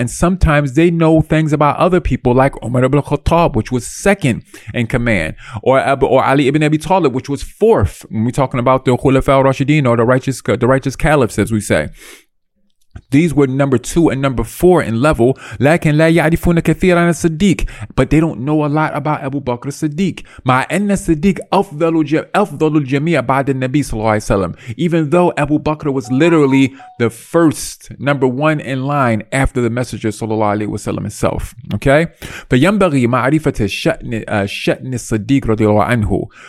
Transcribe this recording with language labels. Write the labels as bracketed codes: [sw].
[en] And sometimes they know things about other people, like Umar ibn Khattab, which was second in command, or Ali ibn Abi Talib, which was fourth. When we're talking about the Khulafa al-Rashidin, or the righteous caliphs, as we say. These were number two and number four in level. [ar] لكن لا يعرفون كثيرا عن الصديق. [en] But they don't know a lot about Abu Bakr Siddiq. [ar] مع أن الصديق أفضل الجميع بعد النبي صلى الله عليه وسلم. [en] Even though Abu Bakr was literally the first, number one in line after the messenger صلى الله عليه وسلم himself. Okay? [ar] فينبغي معرفة شأن الصديق رضي الله عنه.